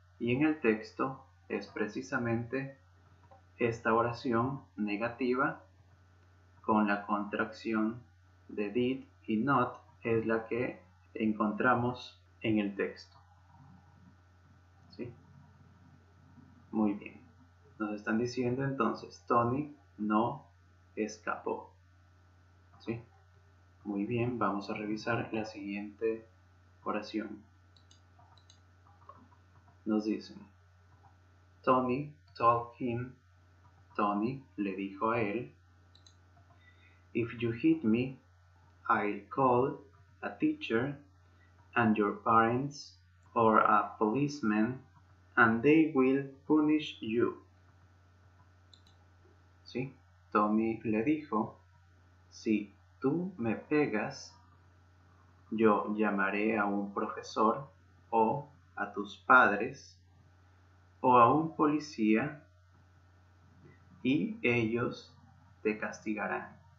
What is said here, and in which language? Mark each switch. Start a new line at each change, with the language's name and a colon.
Spanish: Y en el texto es precisamente esta oración negativa con la contracción de did y not es la que encontramos en el texto. ¿Sí? Muy bien. Nos están diciendo entonces, Tony no escapó. ¿Sí? Muy bien, vamos a revisar la siguiente oración. Nos dicen,
English: Tony told him,
Spanish: Tony le dijo a él,
English: if you hit me, I'll call a teacher and your parents or a policeman and they will punish you.
Spanish: ¿Sí? Tony le dijo, si tú me pegas, yo llamaré a un profesor o a tus padres o a un policía y ellos te castigarán.